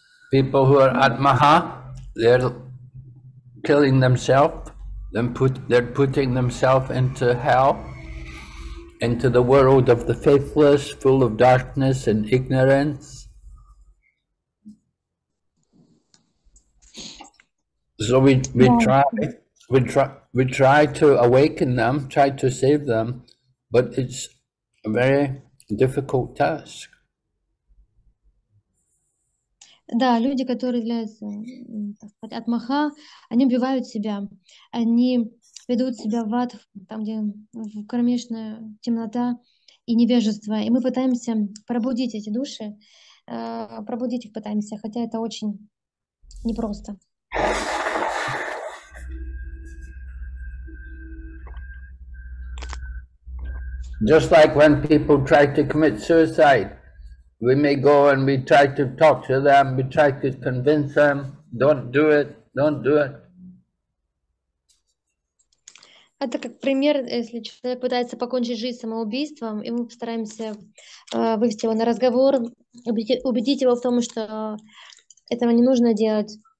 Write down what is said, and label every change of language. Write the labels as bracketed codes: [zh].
[en] People who are at Maha, they're killing themselves, they're putting themselves into hell, into the world of the faithless, full of darkness and ignorance. So we try to awaken them, try to save them, but it's a very difficult task. [ru] Да, люди, которые являются от Маха, они убивают себя. Они ведут себя в ад, там, где кромешная темнота и невежество. И мы пытаемся пробудить эти души, пробудить их пытаемся, хотя это очень непросто. [en] Just like when people try to commit suicide. We may go and we try to talk to them, we try to convince them, don't do it, don't do it. [ru] Это как пример, если человек пытается покончить жизнь самоубийством, и мы стараемся вывести его на разговор, убедить его в том, что этого не нужно делать.